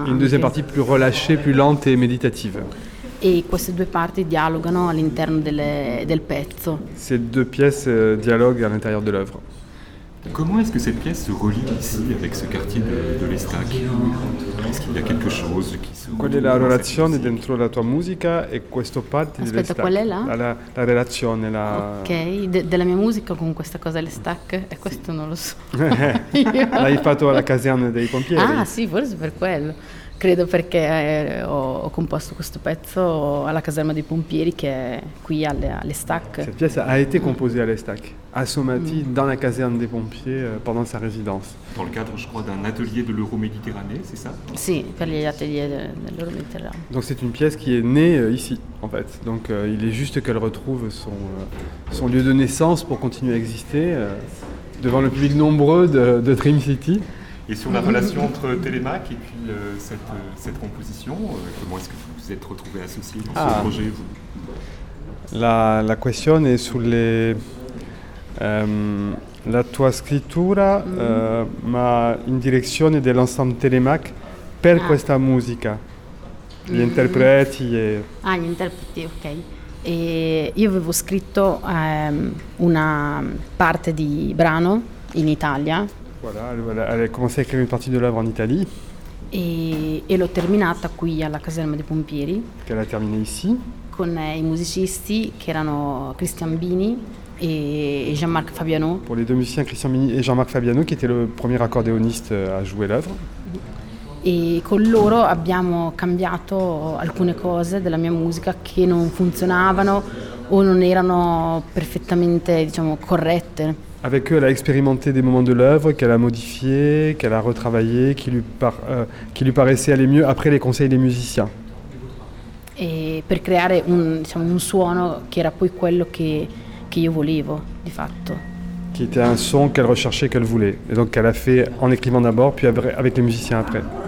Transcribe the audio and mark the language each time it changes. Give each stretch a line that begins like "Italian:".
French: Une deuxième partie plus relâchée, plus lente et méditative. Et ces deux parties dialoguent à l'intérieur
Italian: del pezzo.
French: Ces deux pièces dialoguent à l'intérieur de l'œuvre. Comment est-ce que cette pièce se relie ici avec ce quartier de l'Estac? Est-ce qu'il y a quelque chose qui se... Quelle est la relation
Italian: dentro la tua musica e questo parte di l'Estac? Aspetta, qual è la relazione, la... Ok, della mia musica con questa cosa l'Estac? E questo non lo so. L'hai fatto alla caserma dei pompieri? Ah, sì, forse per quello. Credo perché ho composto questo pezzo alla caserma dei pompieri che è qui all'Estac.
French: Cette pièce a été composée à l'Estac, à Somatie, dans la caserne des pompiers, pendant sa résidence. Dans le cadre, je crois, d'un atelier de l'Euroméditerranée, c'est ça?
Italian: Sì, per gli atelier de l'Euroméditerranée.
French: Donc c'est une pièce qui est née ici, en fait. Donc il est juste qu'elle retrouve son lieu de naissance pour continuer à exister devant le public nombreux de Dream City. Et sur la relation entre Télémac et puis cette composition, comment est-ce que vous vous êtes retrouvés associés dans ce projet, vous? La question est sur les...
Italian: la tua scrittura, ma in direzione dell'ensemble Télémac per questa musica. Gli interpreti e... Ah, gli interpreti, ok. E io avevo scritto una parte di brano in Italia.
French: Voilà, elle a commencé à écrire une partie de l'œuvre en Italie.
Italian: Et l'ho terminata qui alla caserma dei pompieri.
French: Qu'elle a terminé ici.
Italian: Con i musicisti che erano Christian Bini et Jean-Marc Fabiano.
French: Pour les deux musiciens Christian Bini et Jean-Marc Fabiano, qui était le premier accordéoniste à jouer l'œuvre.
Italian: Et con loro abbiamo cambiato alcune cose della mia musica che non funzionavano o non erano perfettamente, diciamo, corrette.
French: Avec eux, elle a expérimenté des moments de l'œuvre qu'elle a modifiés, qu'elle a retravaillés, qui lui paraissaient aller mieux après les conseils des musiciens. Et pour créer un
Italian: suono qui era poi quello che io volevo, di fatto.
French: Qui était un son qu'elle recherchait, qu'elle voulait. Et donc qu'elle a fait en écrivant d'abord, puis avec les musiciens après.